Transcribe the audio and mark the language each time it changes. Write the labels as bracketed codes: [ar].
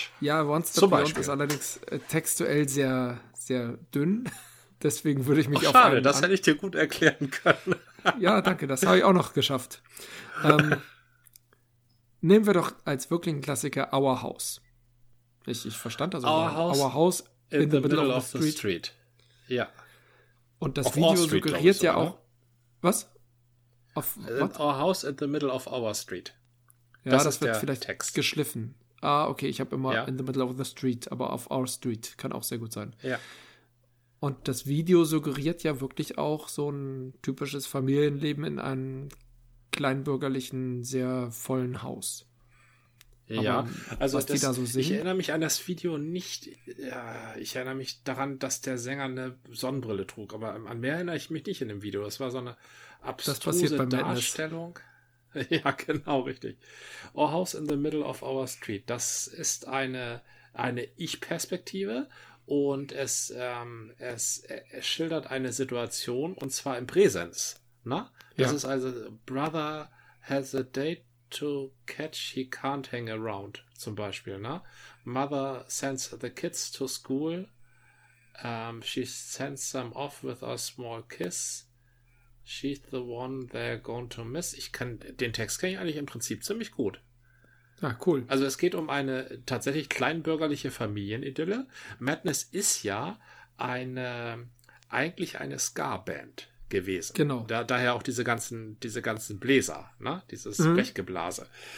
[de] Ja, One Step Beyond ist allerdings textuell sehr, sehr dünn. Deswegen würde ich mich auf einen das hätte ich dir gut erklären können. Ja, danke, das habe ich auch noch geschafft. Nehmen wir doch als wirklichen Klassiker Our House. Ich verstand das auch. [en] Our House in the middle of the street. [de] Ja. Und das Video suggeriert ja auch. Was? [en] Auf Our House in the middle of our street. [de] Ja, das wird vielleicht Text geschliffen. Ah, okay, ich habe immer [en] in the middle of the street, [de] aber auf [en] our street [de] kann auch sehr gut sein. Ja. Und das Video suggeriert ja wirklich auch so ein typisches Familienleben in einem kleinbürgerlichen, sehr vollen Haus. Ja, aber also was das, die da so sehen? Ich erinnere mich an das Video nicht, ich erinnere mich daran, dass der Sänger eine Sonnenbrille trug, aber an mehr erinnere ich mich nicht in dem Video, das war so eine abstruse Darstellung. Ja, genau, richtig. Our House in the Middle of Our Street, das ist eine Ich-Perspektive und es schildert eine Situation und zwar im Präsens, ne? Das ist also [en] Brother has a date to catch, he can't hang around, [de] zum Beispiel, ne? [en] Mother sends the kids to school, she sends them off with a small kiss, she's the one they're going to miss. [de] Den Text kenne ich eigentlich im Prinzip ziemlich gut. Ja, cool. Also es geht um eine tatsächlich kleinbürgerliche Familienidylle. Madness ist ja eigentlich eine Ska-Band gewesen. Genau. Daher auch diese ganzen Bläser, ne? Dieses Blechgeblase.